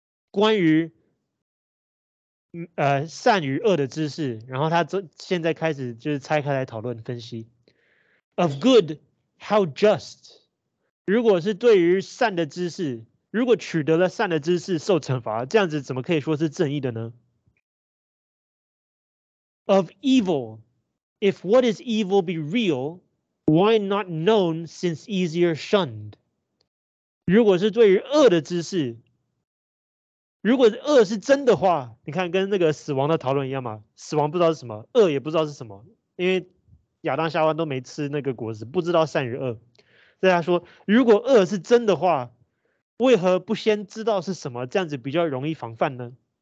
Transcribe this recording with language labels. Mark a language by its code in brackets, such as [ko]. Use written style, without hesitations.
[zh] 关于善与恶的知识，然后他现在开始就是拆开来讨论分析。 [en] Of good, how just? [zh] 如果是对于善的知识，如果取得了善的知识受惩罚，这样子怎么可以说是正义的呢？ [en] Of evil, if what is evil be real, why not known since easier shunned? [zh] 如果是对于恶的知识，如果恶是真的话，你看跟那个死亡的讨论一样嘛，死亡不知道是什么，恶也不知道是什么，因为亚当夏娃都没吃那个果子，不知道善与恶。大家说如果恶是真的话，为何不先知道是什么，这样子比较容易防范呢？